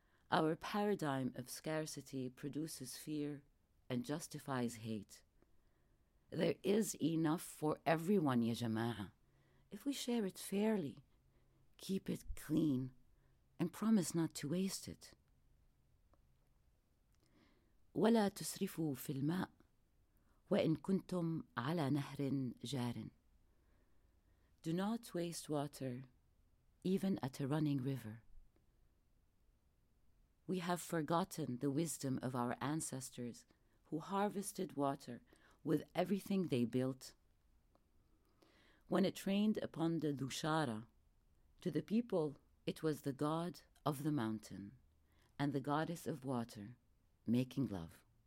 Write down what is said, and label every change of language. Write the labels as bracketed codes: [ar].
[en] Our paradigm of scarcity produces fear and justifies hate. There is enough for everyone, [ar] ya jama'a, [en] if we share it fairly, keep it clean, and promise not to waste it. [ar] ولا تسرفوا في الماء وإن كنتم على نهر جار. [en] Do not waste water, even at a running river. We have forgotten the wisdom of our ancestors who harvested water with everything they built. When it rained upon the Dushara, to the people it was the god of the mountain and the goddess of water making love.